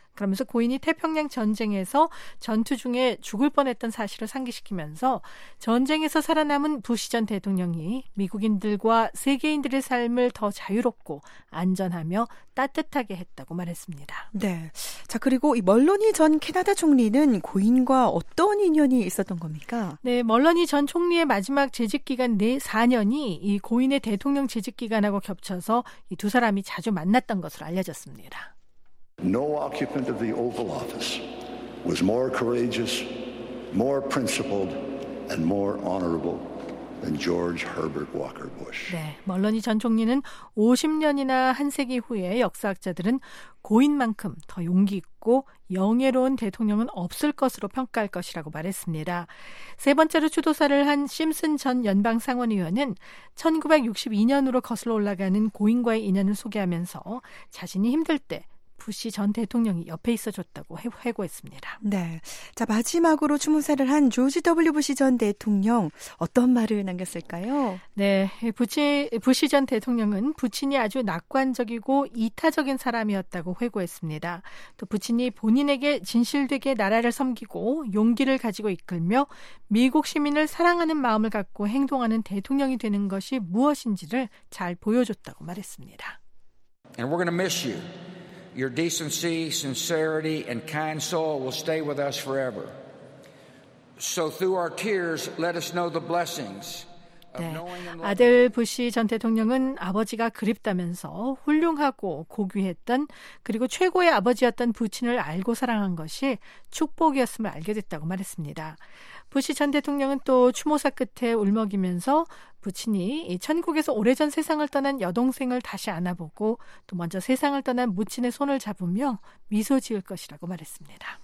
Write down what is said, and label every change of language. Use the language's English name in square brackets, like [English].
[Korean] 그러면서 고인이 태평양 전쟁에서 전투 중에 죽을 뻔했던 사실을 상기시키면서 전쟁에서 살아남은 부시 전 대통령이 미국인들과 세계인들의 삶을 더 자유롭고 안전하며 따뜻하게 했다고 말했습니다. 네. 자, 그리고 이 멀로니 전 캐나다 총리는 고인과 어떤 인연이 있었던 겁니까? 네, 멀로니 전 총리의 마지막 재직 기간 4년이 이 고인의 대통령 재직 기간하고 겹쳐서 이 두 사람이 자주 만났던 것으로 알려졌습니다. [English] No occupant of the Oval Office was more courageous, more principled, and more honorable and George Herbert Walker Bush. [Korean] 네, 멀러니 전 총리는 50년이나 한 세기 후에 역사학자들은 고인만큼 더 용기 있고 영예로운 대통령은 없을 것으로 평가할 것이라고 말했습니다. 세 번째로 추도사를 한 심슨 전 연방 상원의원은 1962년으로 거슬러 올라가는 고인과의 인연을 소개하면서 자신이 힘들 때 부시 전 대통령이 옆에 있어줬다고 회고했습니다. 네, 자 마지막으로 추모사를 한 조지 W. 부시 전 대통령 어떤 말을 남겼을까요? 네, 부시 전 대통령은 부친이 아주 낙관적이고 이타적인 사람이었다고 회고했습니다. 또 부친이 본인에게 진실되게 나라를 섬기고 용기를 가지고 이끌며 미국 시민을 사랑하는 마음을 갖고 행동하는 대통령이 되는 것이 무엇인지를 잘 보여줬다고 말했습니다. [English] And we're gonna miss you. Your decency, sincerity, and kind soul will stay with us forever. So through our tears, let us know the blessings. [Korean] 네, 아들 부시 전 대통령은 아버지가 그립다면서 훌륭하고 고귀했던 그리고 최고의 아버지였던 부친을 알고 사랑한 것이 축복이었음을 알게 됐다고 말했습니다. 부시 전 대통령은 또 추모사 끝에 울먹이면서 부친이 천국에서 오래전 세상을 떠난 여동생을 다시 안아보고 또 먼저 세상을 떠난 모친의 손을 잡으며 미소 지을 것이라고 말했습니다.